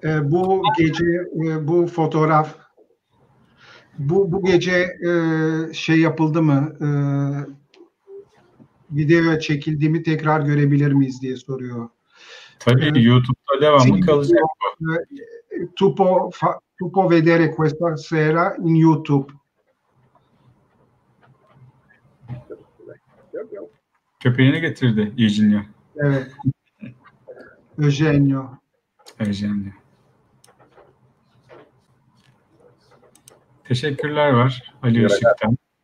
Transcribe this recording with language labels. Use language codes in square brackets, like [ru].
[tr] Bu gece bu fotoğraf bu gece şey yapıldı mı? Video çekildi mi? Tekrar görebilir miyiz diye soruyor. Tabii YouTube'da devamlı kalacak. [it] Tu può vedere questa sera in YouTube. [tr] Köpeğini getirdi Eugenio. Evet. Eugenio. Eugenio. Teşekkürler var Ali Işık'tan.